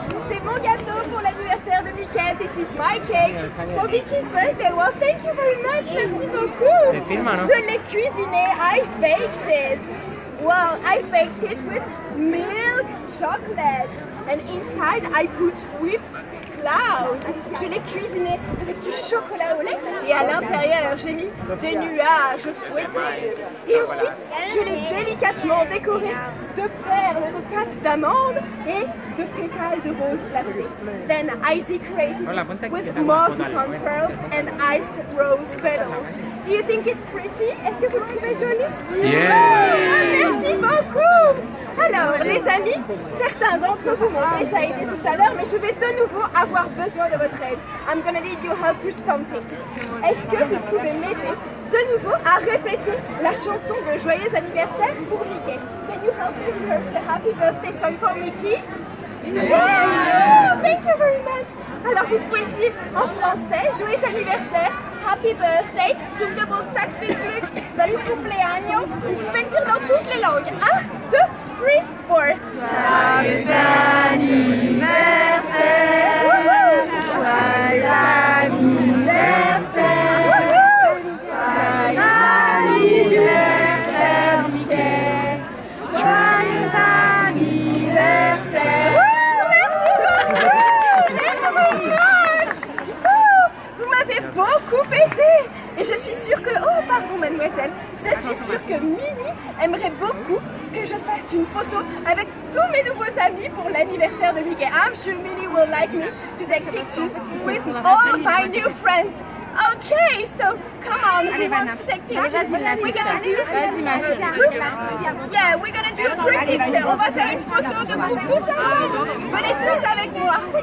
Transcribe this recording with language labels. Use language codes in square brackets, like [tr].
[fr] C'est mon gâteau pour l'anniversaire de Mickey. [en] This is my cake for Mickey's birthday. Well, thank you very much. [fr] Merci beaucoup. Je l'ai cuisiné. [en] I baked it with milk, chocolate. And inside I put whipped clouds. [fr] Je l'ai cuisiné avec du chocolat au lait. Et à l'intérieur, j'ai mis des nuages fouettés. Et ensuite, je l'ai délicatement décoré de perles, de pâtes d'amande et de pétales de rose glacées. [en] Then I decorated it with marzipan pearls and iced rose petals. Do you think it's pretty? [fr] Est-ce que vous le trouvez joli? [en] Yeah. [fr] Oh, merci beaucoup. Alors, les amis, certains d'entre vous m'ont déjà aidé tout à l'heure, mais je vais de nouveau avoir besoin de votre aide. [en] I'm gonna need your help with something. [fr] Est-ce que vous pouvez m'aider de nouveau à répéter la chanson de Joyeux Anniversaire pour Mickey? [en] Can you help me rehearse the Happy Birthday song for Mickey? Yes! Oh, thank you very much! [fr] Alors, vous pouvez dire en français, Joyeux Anniversaire, Happy Birthday, zum Geburtstag, viel Glück, Feliz Cumpleaños. Vous pouvez dire dans toutes les langues. 1, 2, 3, 4. Joyeux anniversaire. Joyeux anniversaire. Joyeux anniversaire, Mickey. Joyeux anniversaire. Merci beaucoup. [en] Thank you very much. [fr] Vous m'avez beaucoup aidé. Et je suis sûre que... Oh, pardon, mademoiselle. Je suis sûre que Mimi aimerait beaucoup que je fasse une photo avec tous mes nouveaux amis pour l'anniversaire de Mickey. [en] I'm sure Mimi will like me to take pictures with all my new friends. Okay, so come on, we want to take pictures. We're gonna do group. Yeah, we're gonna do a group picture. [fr] On va faire une photo de groupe tous ensemble. Venez tous avec moi.